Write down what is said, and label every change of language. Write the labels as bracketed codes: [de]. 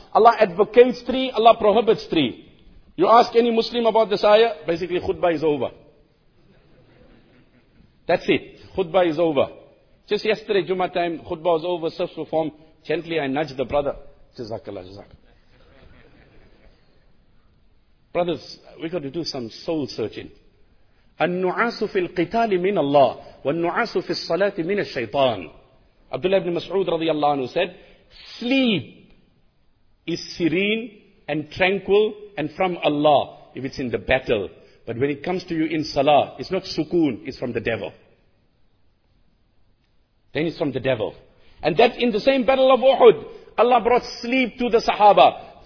[en] Allah advocates three, Allah prohibits three. You ask any Muslim about this ayah, basically khutbah is over. That's it. Khutbah is over. Just yesterday, Juma time, khutbah was over, self reform. Gently I nudge the brother. Jazakallah, jazakallah. Brothers, we got to do some soul searching. [ar] النعاس في القتال من الله والنعاس في الصلاة من الشيطان. [en] Abdullah ibn Mas'ud رضي الله عنه said, sleep is serene and tranquil and from Allah if it's in the battle. But when it comes to you in salah, it's not sukoon, it's from the devil. Then it's from the devil. And that in the same battle of Uhud, Allah brought sleep to the Sahaba.